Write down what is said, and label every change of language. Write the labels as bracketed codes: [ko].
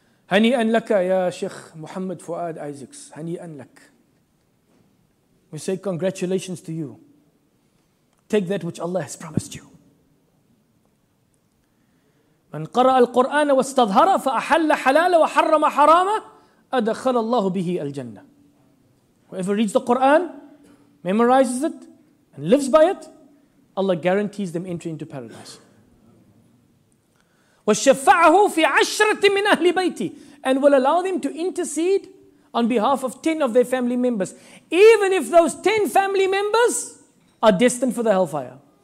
[ar] Hani'an laka ya Sheikh Muhammad Fuad Isaacs. Hani'an lak. [en] We say congratulations to you. Take that which Allah has promised you. [ar] من قرأ القرآن واستظهر فأحل حلال وحرم حرام أدخل الله به الجنة. [en] Whoever reads the Quran, memorizes it, and lives by it, Allah guarantees them entry into paradise. [ar] والشفعه في عشرة من أهل بيتي, [en] and will allow them to intercede on behalf of 10 of their family members, even if those 10 family members are destined for the hellfire.